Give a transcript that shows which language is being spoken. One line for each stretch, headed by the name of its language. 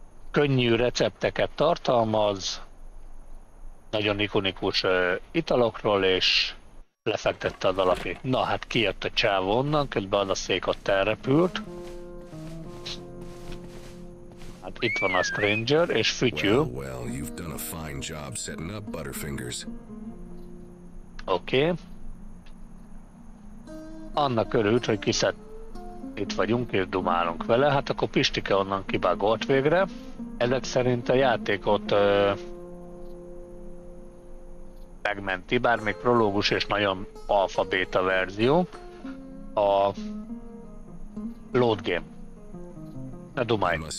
Hungarian: Könnyű recepteket tartalmaz, nagyon ikonikus italokról, és lefektette az alapit. Na hát kijött a csávó onnan, közben az a szék ott elrepült. Hát itt van a Stranger és Fütyű.
English: Well, you've done a fine job setting up Butterfingers.
Hungarian: Oké. Annak örült, hogy kiszedt. Itt vagyunk és dumálunk vele, hát akkor Pistike onnan kibágolt végre. Ezek szerint a játékot megmenti, bár még prológus és nagyon alfa-béta verzió a load game. Ne dumálj!